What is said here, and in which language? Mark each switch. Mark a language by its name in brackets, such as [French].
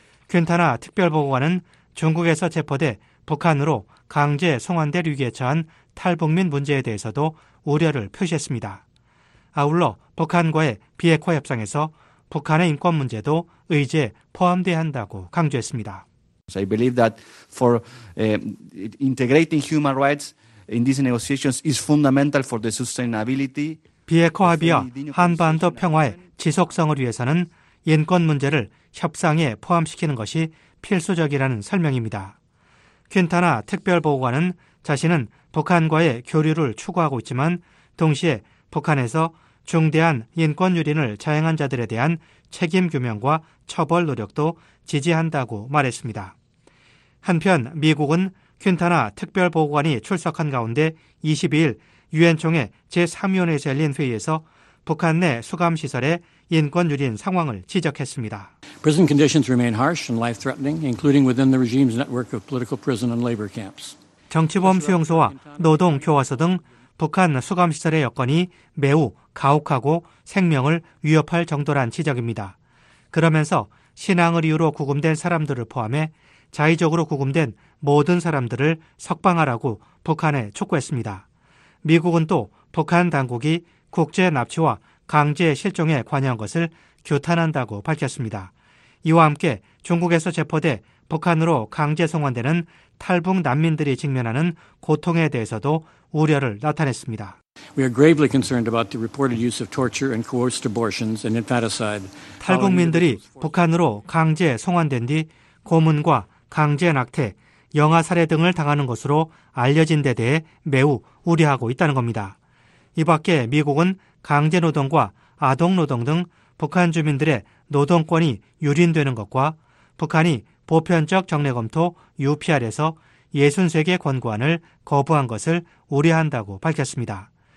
[Korean] 퀸타나 특별보고관은 중국에서 체포돼 북한으로 강제 송환될 위기에 처한 탈북민 문제에 대해서도 우려를 표시했습니다. 아울러 북한과의 비핵화 협상에서 북한의 인권 문제도 의제에 포함돼야 한다고 강조했습니다. [English] I believe that for integrating human rights in these negotiations is fundamental for the sustainability. [Korean] 비핵화 합의와 한반도 평화의 지속성을 위해서는 인권 문제를 협상에 포함시키는 것이 필수적이라는 설명입니다. 퀸타나 특별보고관은 자신은 북한과의 교류를 추구하고 있지만 동시에 북한에서 중대한 인권 유린을 자행한 자들에 대한 책임 규명과 처벌 노력도 지지한다고 말했습니다. 한편 미국은 퀸타나 특별보고관이 출석한 가운데 22일 유엔총회 제3위원회에서 열린 회의에서 북한 내 수감시설의 인권 유린 상황을 지적했습니다. [English] Prison conditions remain harsh and life-threatening, including within the regime's network of political prison and labor camps. [Korean] 정치범 수용소와 노동 교화소 등 북한 수감시설의 여건이 매우 가혹하고 생명을 위협할 정도란 지적입니다. 그러면서 신앙을 이유로 구금된 사람들을 포함해 자의적으로 구금된 모든 사람들을 석방하라고 북한에 촉구했습니다. 미국은 또 북한 당국이 국제 납치와 강제 실종에 관여한 것을 규탄한다고 밝혔습니다. 이와 함께 중국에서 체포돼 북한으로 강제 송환되는 탈북 난민들이 직면하는 고통에 대해서도 우려를 나타냈습니다. [English] We are gravely concerned about the reported use of torture and coerced abortions and infanticide. [Korean] 탈북민들이 북한으로 강제 송환된 뒤 고문과 강제 낙태, 영아 살해 등을 당하는 것으로 알려진 데 대해 매우 우려하고 있다는 겁니다. 이 밖에 미국은 강제 노동과 아동 노동 등 북한 주민들의 노동권이 유린되는 것과 북한이 보편적 정례검토 UPR에서 63개 권고안을 거부한 것을 우려한다고 밝혔습니다.